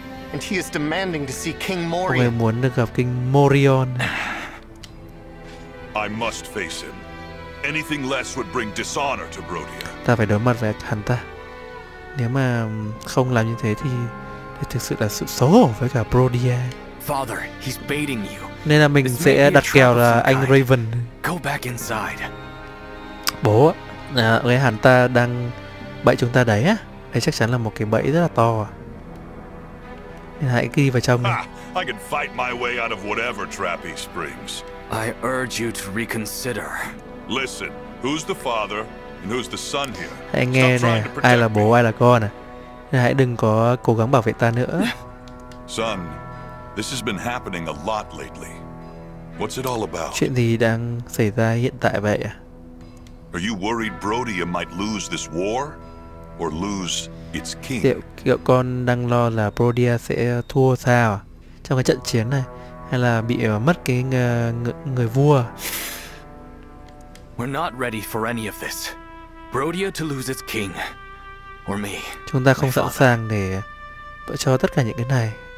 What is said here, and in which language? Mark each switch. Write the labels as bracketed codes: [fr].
[en] And he is demanding to see King Morion. [vi] Ông ấy muốn được gặp King Morion. [en] I must face him. Anything less would bring dishonor to Brodia. [vi] Ta phải đối mặt với hắn ta. Nếu mà không làm như thế thì thực sự là sự xấu hổ với cả Brodia. [en] Father, he's baiting you. [vi] Nên là mình sẽ đặt kèo là anh Raven. [en] Go back inside. [vi] Bố, nghe hắn ta đang bẫy chúng ta đấy á. Đấy chắc chắn là một cái bẫy rất là to. Nên hãy đi vào trong. [en] I can fight my way out of whatever trap he springs. I urge you to reconsider. Listen, who's the father and who's the son here? [vi] Hãy nghe nè, ai là bố, ai là con à? Nên hãy đừng có cố gắng bảo vệ ta nữa. [en] Son, this has been happening a lot lately. What's it all about? [vi] Chuyện gì đang xảy ra hiện tại vậy à? [en] Are you worried Brodia might lose this war or lose its king? [vi] Liệu con đang lo là Brodia sẽ thua sao à? Trong cái trận chiến này hay là bị mất cái người vua? [en] We're not ready for any of this. Brodia to lose its king or me. [vi] Chúng ta không sẵn sàng để cho tất cả những cái này.